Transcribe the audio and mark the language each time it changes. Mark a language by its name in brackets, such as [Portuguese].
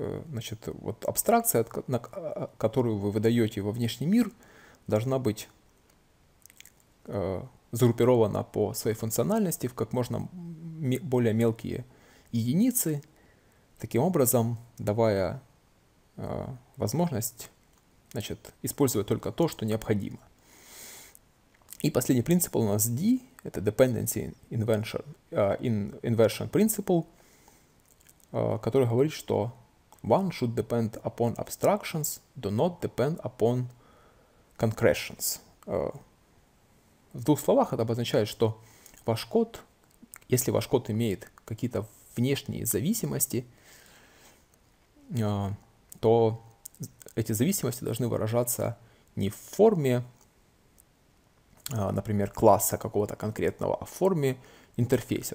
[Russian] значит, вот абстракция, на которую вы выдаете во внешний мир, должна быть сгруппирована по своей функциональности в как можно более мелкие единицы, таким образом давая возможность, значит, использовать только то, что необходимо. И последний принцип у нас D, это Dependency Inversion Principle, который говорит, что [English] one should depend upon abstractions, do not depend upon concretions. [Russian] В двух словах это обозначает, что ваш код, если ваш код имеет какие-то внешние зависимости, то эти зависимости должны выражаться не в форме, например, класса какого-то конкретного, а в форме интерфейса.